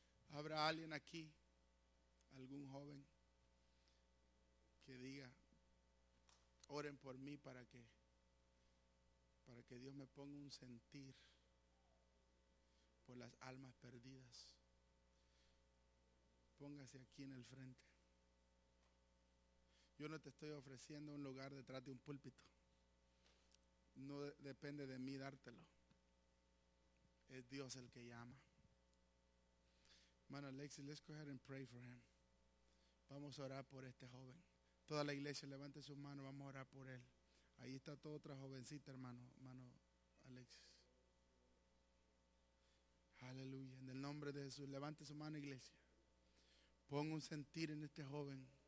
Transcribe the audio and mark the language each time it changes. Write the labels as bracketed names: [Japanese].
[Spanish] ¿Habrá alguien aquí, algún joven, que diga, oren por mí para que Dios me ponga un sentir por las almas perdidas? Póngase aquí en el frente. Yo no te estoy ofreciendo un lugar detrás de un púlpito. No depende de mí dártelo. Es Dios el que llama. [English] Hermano Alexis, let's go ahead and pray for him. [Spanish] Vamos a orar por este joven. Toda la iglesia, levante sus manos, vamos a orar por él. Ahí está toda otra jovencita, hermano Alexis. Aleluya. En el nombre de Jesús, levante su mano, iglesia. Pon un sentir en este joven.